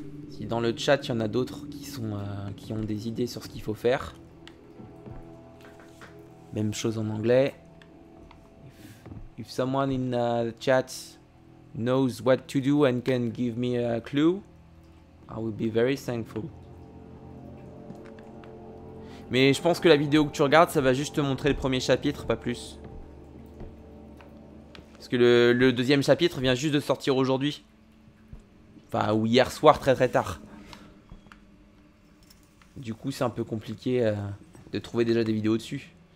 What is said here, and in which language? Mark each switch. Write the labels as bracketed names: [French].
[French] Si dans le chat, il y en a d'autres qui ont des idées sur ce qu'il faut faire. Même chose en anglais. [English] If someone in the chat knows what to do and can give me a clue, I will be very thankful. [French] Mais je pense que la vidéo que tu regardes, ça va juste te montrer le premier chapitre, pas plus. Parce que le deuxième chapitre vient juste de sortir aujourd'hui. Enfin, ou hier soir, très très tard. Du coup, c'est un peu compliqué de trouver déjà des vidéos dessus.